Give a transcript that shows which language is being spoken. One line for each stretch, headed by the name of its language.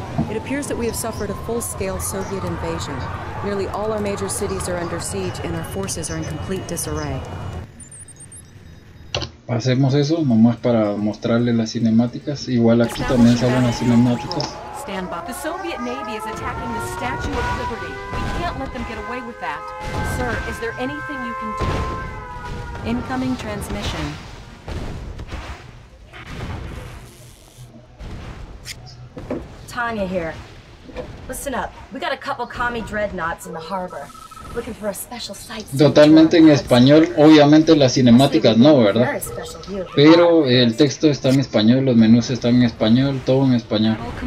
English: It appears that we have suffered a full-scale Soviet invasion. Nearly all our major cities are under siege and our forces are in complete disarray.
Spanish: Hacemos eso nomás para mostrarles las cinemáticas. Igual aquí también salen las cinemáticas.
English: Stand by. The Soviet Navy is attacking the Statue of Liberty. We can't let them get away with that. Sir, is there anything you can do? Incoming transmission. Tanya here. Listen up. We got a couple commie dreadnoughts in the harbor, looking for a special sight.
Spanish: Totalmente en español, obviamente las cinemáticas no, ¿verdad? Pero el texto está en español, los menús están en español, todo en español.